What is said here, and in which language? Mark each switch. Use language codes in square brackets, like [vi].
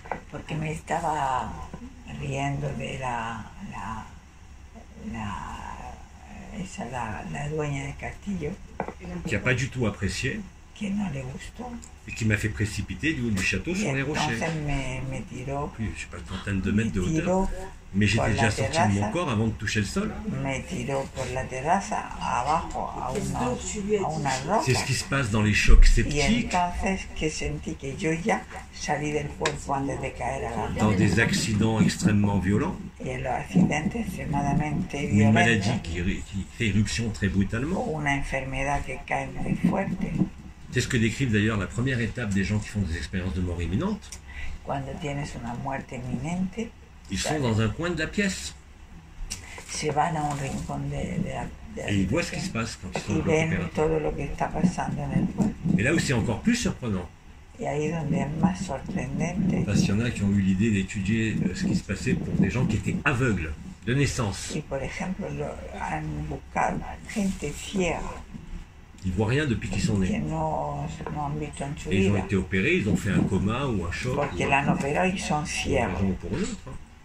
[es] Porque me estaba riendo de la dueña de Castillo. [fr] Qui n'a pas du tout apprécié. [es] Que no le gustó. [fr] Et qui m'a fait précipiter du haut du château sur les rochers. [es] Me tiró, [fr] oui, je ne sais pas, une trentaine de mètres de hauteur. Mais j'étais déjà sorti de mon corps avant de toucher le sol. [es] Me tiró por la terraza abajo a una roca. [fr] C'est ce qui se passe dans les chocs septiques. [es] Y entonces que sentí que yo ya salí del cuerpo antes de caer a la roca. [fr] Dans des accidents extrêmement violents. [es] Y en los accidentes extremadamente violentos. [fr] Une maladie qui fait éruption très brutalement. [es] Una enfermedad que cae muy fuerte. [fr] C'est ce que décrivent d'ailleurs la première étape des gens qui font des expériences de mort imminente. [es] Cuando tienes una muerte inminente. [fr] Ils sont dans un coin de la pièce. [es] Se van a un rincón [fr] et ils voient ce qui se passe quand ils sont dans l'opérateur. [es] Todo lo que está pasando en el cuerpo. [fr] Et là où c'est encore plus surprenant. [es] Y ahí donde es más sorprendente. [fr] Parce qu'il y en a qui ont eu l'idée d'étudier ce qui se passait pour des gens qui étaient aveugles de naissance. [es] Y por ejemplo, han buscado gente ciega. [fr] Ils ne voient rien depuis qu'ils sont nés. [es] No, [fr] ils ont été opérés, ils ont fait un coma ou un choc. Parce qu'ils l'ont opéré, ils sont ciegos. Pour un ou pour une autre.